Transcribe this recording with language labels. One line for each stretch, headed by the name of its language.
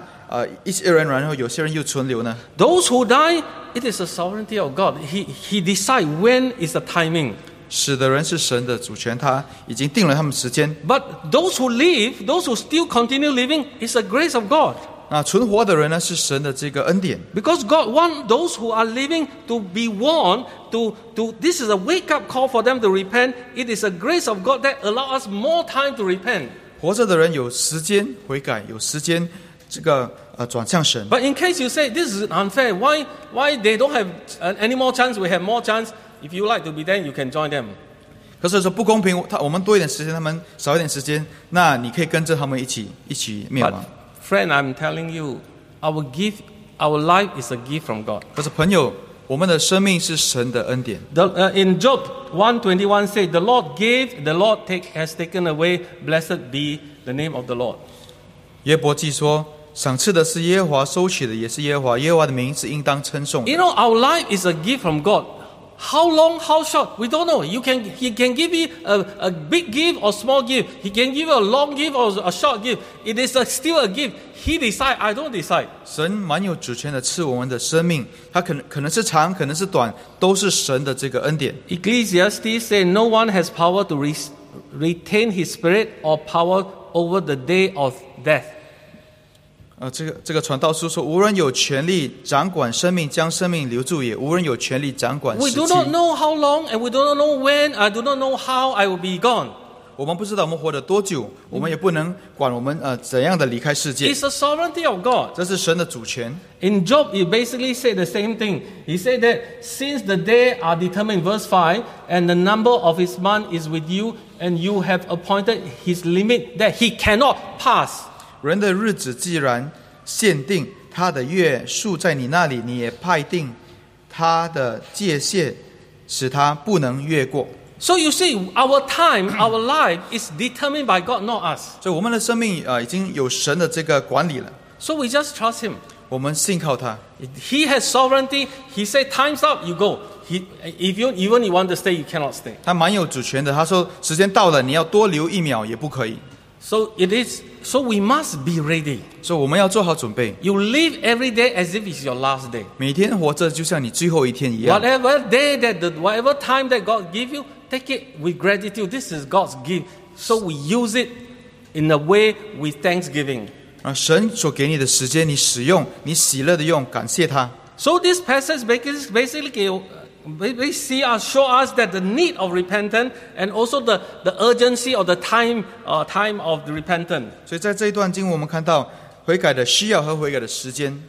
Chinese: 为什么神这个审判一些人，然后有些人又存留呢?
English: Those who die, it is the sovereignty of God. He decides when is the timing.
Chinese: 死的人是神的主权，他已经定了他们时间。
English: But those who live, those who still continue living, is the grace of God.
Chinese: 那存活的人呢，是神的这个恩典。
English: Because God wants those who are living to be warned, this is a wake-up call for them to repent. It is a grace of God that allows us more time to repent.
Chinese: 活着的人有时间悔改，有时间转向神。
English: But in case you say, this is unfair, why they don't have any more chance, we have more chance, if you like to be there, you can join them.
Chinese: 可是说不公平，我们多一点时间，他们少一点时间，那你可以跟着他们一起灭亡。
English: Friend, I'm telling you, our life is a gift from God.
Chinese: 可是朋友, 我们的生命是神的恩典。
English: In Job 1:21 say, "The Lord gave, the Lord take has taken away. Blessed be the name of the Lord."
Chinese: 约伯记说，赏赐的是耶和华，收取的也是耶和华，耶和华的名是应当称颂。
English: You know, our life is a gift from God. How long, how short, we don't know. He can give you a big gift or small gift. He can give you a long gift or a short gift. It is still a gift. He decides, I don't decide.
Chinese: 神蛮有主权的赐我们的生命，他可能是长，可能是短，都是神的这个恩典。
English: Ecclesiastes say, no one has power to retain his spirit or power over the day of death.
Chinese: 这个传道书说，无人有权利掌管生命，将生命留住也；无人有权利掌管时期。
English: We do not know how long, and we do not know when. I do not know how I will be gone.
Chinese: 我们不知道我们活了多久，我们也不能管我们怎样的离开世界。
English: It's the sovereignty of God.
Chinese: 这是神的主权。
English: In Job, he basically said the same thing. He said that since the day are determined, verse 5, and the number of his month is with you, and you have appointed his limit that he cannot pass.
Chinese: 人的日子既然限定，他的月数在你那里，你也派定他的界限，使他不能越过。
English: So you see, our time, our life is determined by God, not us.
Chinese: 所以我们的生命已经有神的这个管理了。
English: So we just trust Him.
Chinese: 我们信靠他。
English: He has sovereignty. He said, "Time's up, you go." If you want to stay, you cannot stay.
Chinese: 他蛮有主权的。他说，时间到了，你要多留一秒也不可以。
English: So it is. So we must be ready.
Chinese: So 我们要做好准备。
English: You live every day as if it's your last day.
Chinese: 每天活着就像你最后一天一样。
English: Whatever day that the whatever time that God give you, take it with gratitude. This is God's gift. So we use it in a way with thanksgiving.
Chinese: 啊，神所给你的时间，你使用，你喜乐的用，感谢他。
English: So this passage basically gives. We see us, show us that the need of repentance and also the urgency of the time of the repentance.
Chinese: 所以在这一段经文，我们看到悔改的需要和悔改的时间。